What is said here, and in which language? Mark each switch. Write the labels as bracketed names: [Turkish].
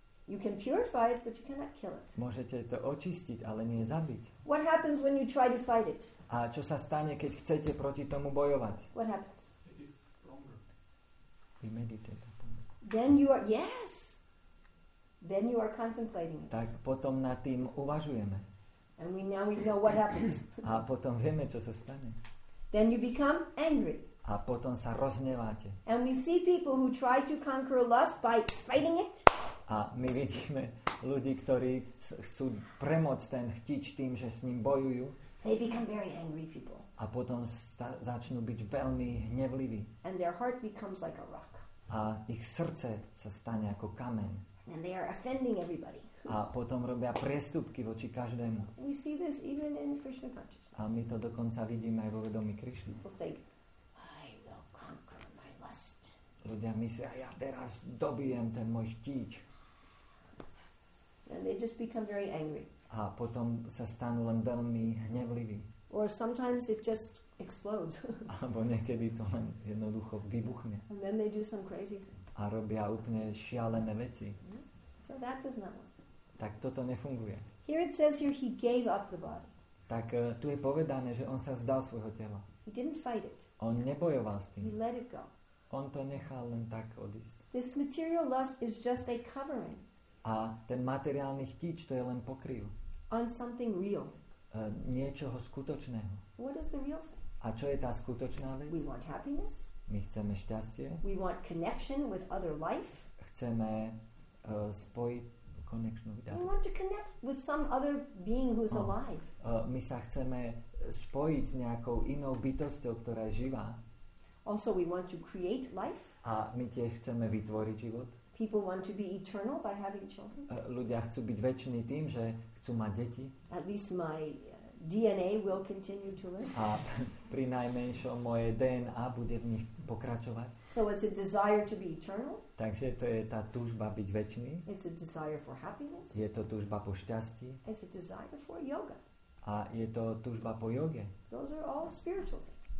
[English] You can purify it, but you cannot kill it. [Slovak] Môžete to očistiť, ale nie zabiť. [English] What happens when you try to fight it? [Slovak] A čo sa stane, keď chcete proti tomu bojovať? [English] What happens? You meditate. Then you are, yes. Then you are contemplating it. [Slovak] Tak potom nad tým uvažujeme. [English] And we know what happens. [Slovak] A potom vieme, čo sa stane. [English] Then you become angry. [Slovak] A potom sa rozhneváte. [English] And we see people who try to conquer lust by fighting it. [Slovak] A my vidíme ľudí, ktorí chcú premôcť ten chtič tým, že s ním bojujú. [English] They become very angry people. [Slovak] A potom začnú byť veľmi hnevliví. [English] And their heart becomes like a rock. [Slovak] A ich srdce sa stane ako kameň. [English] And they are offending everybody. [Slovak] A potom robia priestupky voči každému. [English] We see this even in Krishna consciousness. [Slovak] A my to dokonca vidíme aj vo vedomí Krishna. [English] People think, I will conquer my lust. [Slovak] Ľudia myslia, ja teraz dobijem ten môj chtíč. [English] And they just become very angry. [Slovak] A potom sa stanú len veľmi hnevliví. [English] Or sometimes it just explodes. [Slovak] Alebo niekedy to len jednoducho vybuchne. [English] And then they do some crazy thing. [Slovak] A robia úplne šialené veci. [English] So that does not work. [Slovak] Tak toto nefunguje. [English] Here it says here he gave up the body. [Slovak] Tak tu je povedané, že on sa vzdal svojho tela. [English] He didn't fight it. [Slovak] On nebojoval s tým. [English] He let it go. [Slovak] On to nechal len tak odísť. [English] This material lust is just a covering. [Slovak] A ten materiálny chtíč, to je len pokryv. [English] On something real. [Slovak] Niečoho skutočného. [English] What is the real thing? [Slovak] A čo je tá skutočná vec? [English] We want happiness. [Slovak] My chceme šťastie. [English] We want connection with other life. [Slovak] Chceme spojiť [English] connection with other. We want to connect with some other being who's alive. [Slovak] My sa chceme spojiť s nejakou inou bytosťou, ktorá je živá. [English] Also we want to create life. [Slovak] A my tiež chceme vytvoriť život. [English] People want to be eternal by having children. [Slovak] Ľudia chcú byť večný tým, že chcú mať deti. [English] At least my DNA will continue to live. [Slovak] A pri najmenšom moje DNA bude v nich pokračovať. [English] So it's a desire to be eternal. [Slovak] Takže to je tá túžba byť večný. [English] It's a desire for happiness. [Slovak] Je to túžba po šťastí. [English] It's a desire for yoga. [Slovak] A je to túžba po joge. [English] Those are all spiritual things.